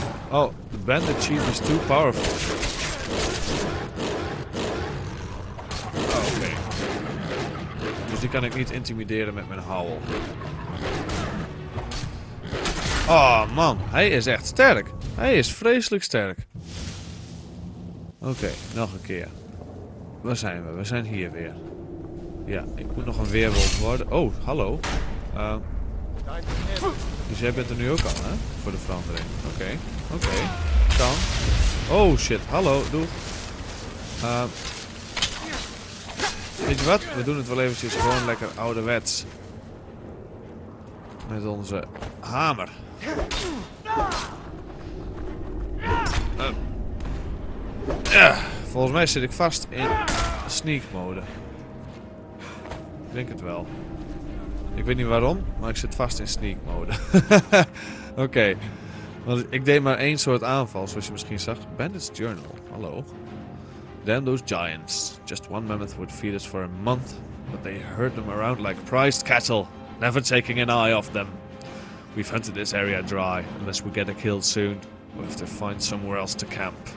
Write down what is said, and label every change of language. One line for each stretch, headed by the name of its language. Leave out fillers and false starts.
English: Oh, the bandit chief is too powerful.
Dutch: Oké. Dus die kan ik niet intimideren met mijn howl. Oh man, hij is echt sterk. Hij is vreselijk sterk. Oké, nog een keer. Waar zijn we? We zijn hier weer. Ja, ik moet nog een weerwolf worden. Oh, hallo. Dus jij bent er nu ook al, hè? Voor de verandering. Oké. Kan. Oh shit, hallo, doe. Weet je wat? We doen het wel eventjes gewoon lekker ouderwets. Met onze hamer. Volgens mij zit ik vast in sneak mode. Ik denk het wel. Ik weet niet waarom, maar ik zit vast in sneak mode. Oké. Want ik deed maar één soort aanval, zoals je misschien zag.
English: Bandit's Journal.
Dutch: Hallo.
English: Damn those giants. Just one mammoth would feed us for a month, but they herd them around like prized cattle, never taking an eye off them. We've hunted this area dry, unless we get a kill soon. We'll have to find somewhere else to camp.